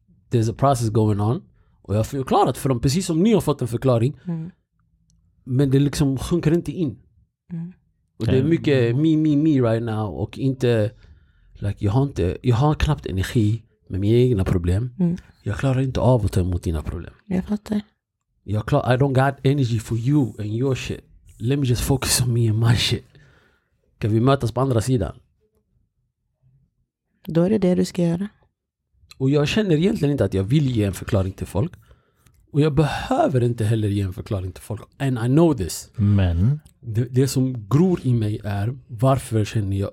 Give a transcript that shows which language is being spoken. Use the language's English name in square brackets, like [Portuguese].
[English] There's a process going on. [Swedish] Och jag har förklarat för dem, precis som ni har fått en förklaring. Men det liksom sjunker inte in. Och det är mycket [English] me right now. [Swedish] Och inte, like, jag har knappt energi med mina egna problem. Jag klarar inte av att ta emot dina problem. Jag fattar. [English] I don't got energy for you and your shit. Let me just focus on me and my shit. [Swedish] Kan vi mötas på andra sidan? Då är det det du ska göra. Och jag känner egentligen inte att jag vill ge en förklaring till folk. Och jag behöver inte heller ge en förklaring till folk. [English] And I know this. [Swedish] Men? Det som gror i mig är, varför känner jag...